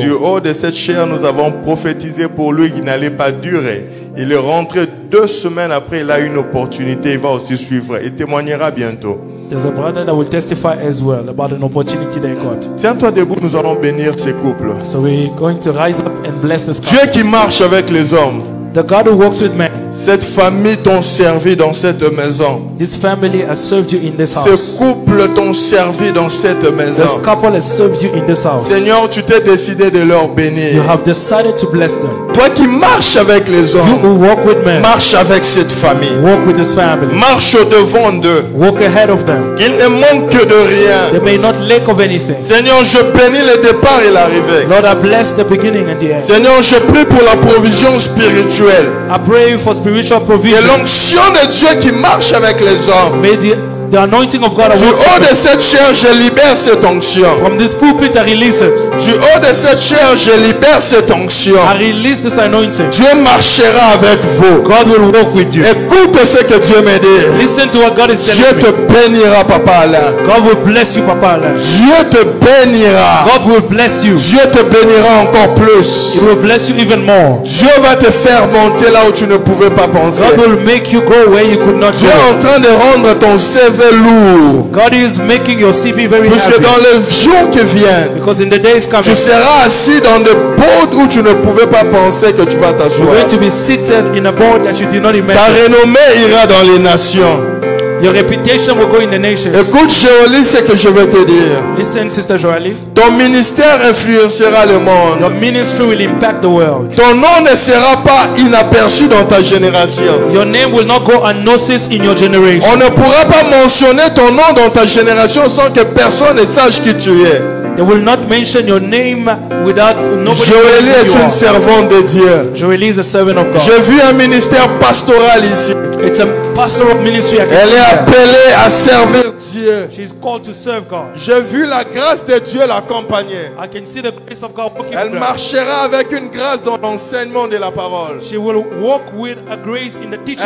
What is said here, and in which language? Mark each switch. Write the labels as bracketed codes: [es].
[fr] Du haut de cette chair, nous avons prophétisé pour lui qu'il n'allait pas durer. Il est rentré deux semaines après, il a une opportunité, il va aussi suivre. Il témoignera bientôt. [en] There's a brother that will testify as well about an opportunity they got. [fr] Tiens-toi debout, nous allons bénir ces couples. [en] So we're going to rise up and bless this [fr] couple. Dieu qui marche avec les hommes. [en] The God who walks with men. [fr] Cette famille t'ont servi dans cette maison. [en] This family has served you in this house. [fr] Ce couple t'ont servi dans cette maison. [en] This couple has served you in this house. [fr] Seigneur, tu t'es décidé de leur bénir. [en] You have decided to bless them. [fr] Toi qui marches avec les hommes. [en] You who walk with men. [fr] Marche avec cette famille. [en] Walk with this family. [fr] Marche au devant d'eux. [en] Walk ahead of them. [fr] Qu'ils ne manquent de rien. [en] They may not lack of anything. [fr] Seigneur, je bénis le départ et l'arrivée. [en] Lord, I bless the beginning and the end. [fr] Seigneur, je prie pour la provision spirituelle. [en] I pray for spiritual provision. [fr] Et l'onction de Dieu qui marche avec les hommes. [en] May the anointing of God. [fr] Du haut de cette chair, je libère cette onction. [en] From this pulpit, I release it. [fr] Du haut de cette chair, je libère cette onction. [en] I release this anointing. [fr] Dieu marchera avec vous. [en] God will walk with you. [fr] Écoute ce que Dieu me dit. [en] Listen to what God is telling me. [fr] Te bénira, Papa Alain. [en] God will bless you, Papa Alain. [fr] Dieu te bénira. [en] God will bless you. [fr] Dieu te bénira encore plus. [en] He will bless you even more. [fr] Dieu va te faire monter là où tu ne pouvais pas penser. [en] God will make you go where you could not [fr] Dieu [en] go. [fr] Est en train de rendre ton CV lourd. [en] God is making your CV very [fr] Puisque [en] heavy. [fr] Dans les jours qui viennent, [en] because in the days coming, [fr] tu seras assis dans des boards où tu ne pouvais pas penser que tu vas t'asseoir. [en] You're going to be seated in a board that you did not imagine. [fr] Ta renommée ira dans les nations. [en] Your reputation will go in the nations. [fr] Écoute, Joali, ce que je vais te dire. [en] Listen, Sister Joali. [fr] Ton ministère influencera le monde. [en] Your ministry will impact the world. [fr] Ton nom ne sera pas inaperçu dans ta génération. [en] Your name will not go unnoticed in your generation. [fr] On ne pourra pas mentionner ton nom dans ta génération sans que personne ne sache qui tu es. [en] They will not mention your name without nobody. [fr] Joali est une servante de Dieu. [en] Joali is a servant of God. [fr] J'ai vu un ministère pastoral ici. [en] It's a pastoral ministry. I can [fr] Elle [en] see [fr] est appelée à servir Dieu. [en] She is called to serve God. [fr] J'ai vu la grâce de Dieu l'accompagner. [en] I can see the grace of God walking. [fr] Elle marchera avec une grâce dans l'enseignement de la parole. [en] She will walk with a grace in the teaching